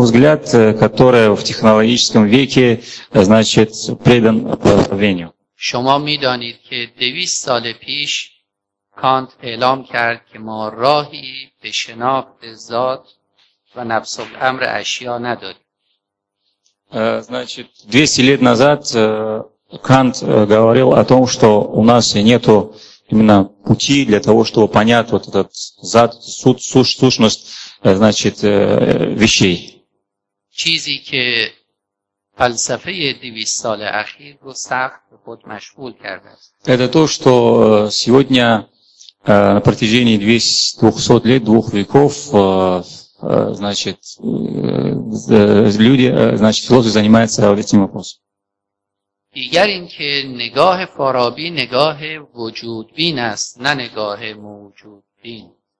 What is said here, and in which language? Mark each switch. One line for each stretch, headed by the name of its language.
Russian: взгляд, который в технологическом веке, значит, предан правлению.
Persian: شما میدانید که 200 سال پیش کانت اعلام کرد که ما راهی به شناخت ذات و نفس الامر اشیا نداریم.
Russian: Значит, 200 лет назад Кант говорил о том, что у нас нету именно пути для того, чтобы понять вот этот зад, сущность, значит, вещей.
Persian: Чизи ке فلسفه 200 سال اخیر رو سخت به خود مشغول کرده است.
Russian: Это то, что сегодня на протяжении 200 лет, двух веков, значит, люди, значит, философы занимаются этим вопросом.
Persian: دیگر اینکه نگاه فارابی نگاه وجودبین است، نه نگاه موجودبین.